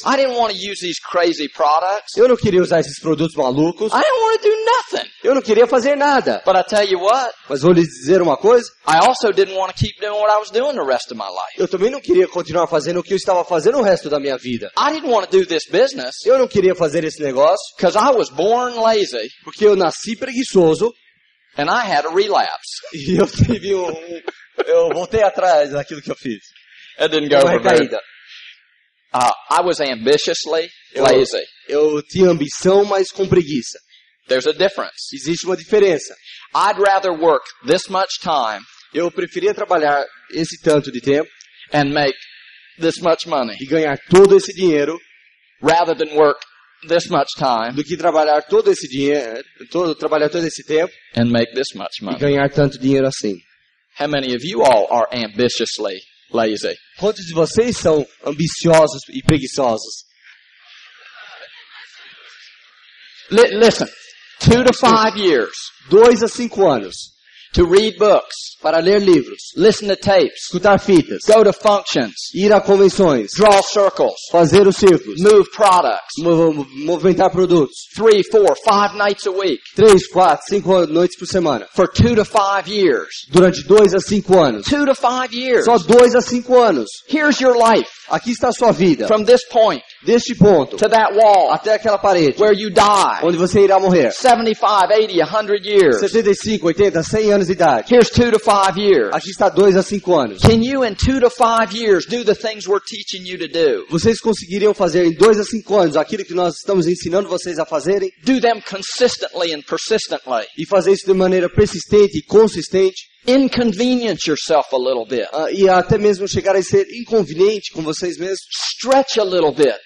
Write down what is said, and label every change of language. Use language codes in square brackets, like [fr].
[en] I didn't want to use these crazy products. [pt] Eu não queria usar esses produtos malucos. [en] I didn't want to do nothing. [pt] Eu não queria fazer nada. [en] But I tell you what. [pt] Mas vou lhes dizer uma coisa. [en] I also didn't want to keep doing what I was doing the rest of my life. [pt] Eu também não queria continuar fazendo o que eu estava fazendo o resto da minha vida. [en] I didn't want to do this business. [pt] Eu não queria fazer esse negócio. [en] Because I was born lazy. [pt] Porque eu nasci preguiçoso. [en] And I had a relapse. [pt] E eu tive eu voltei atrás daquilo que eu fiz. [en] It didn't go over. I was ambitiously lazy. [pt] Eu tinha ambição, mas com preguiça. [en] There's a difference. [pt] Existe uma diferença. [en] I'd rather work this much time. [pt] Eu preferia trabalhar esse tanto de tempo [en] and make this much money. [pt] E ganhar todo esse dinheiro [en] rather than work this much time. [pt] Do que trabalhar todo esse dinheiro, trabalhar todo esse tempo [en] and make this much money. [pt] E ganhar tanto dinheiro assim. [en] How many of you all are ambitiously lazy? [pt] Quantos de vocês são ambiciosos e preguiçosos? [en] Listen, 2 to 5 years. [pt] 2 a 5 anos. [en] To read books. [pt] Para ler livros. [en] Listen to tapes. [pt] Escutar fitas. [en] Go to functions. [pt] Ir a convenções. [en] Draw circles. [pt] Fazer os círculos. [en] Move products. [pt] Movimentar produtos. [en] 3, 4, 5 nights a week. [pt] 3, 4, 5 noites por semana. [en] For 2 to 5 years. [pt] Durante 2 a 5 anos. [en] 2 to 5 years. [pt] Só 2 a 5 anos. [en] Here's your life. [pt] Aqui está a sua vida. [en] From this point. [pt] Deste ponto. [en] To that wall. [pt] Até aquela parede. [en] Where you die. [pt] Onde você irá morrer. [en] 75, 80, 100 years. [pt] 75, 80, 100 anos de idade. [en] Here's 2 to 5 years. [pt] Aqui está 2 a 5 anos. [en] Can you in 2 to 5 years do the things we're teaching you to do? [pt] Vocês conseguiriam fazer em 2 a 5 anos aquilo que nós estamos ensinando vocês a fazerem? [en] Do them consistently and persistently. [pt] E fazer isso de maneira persistente e consistente. [en] Inconvenience yourself a little bit. [pt] E até mesmo chegar a ser inconveniente com vocês mesmos. [en] Stretch a little bit.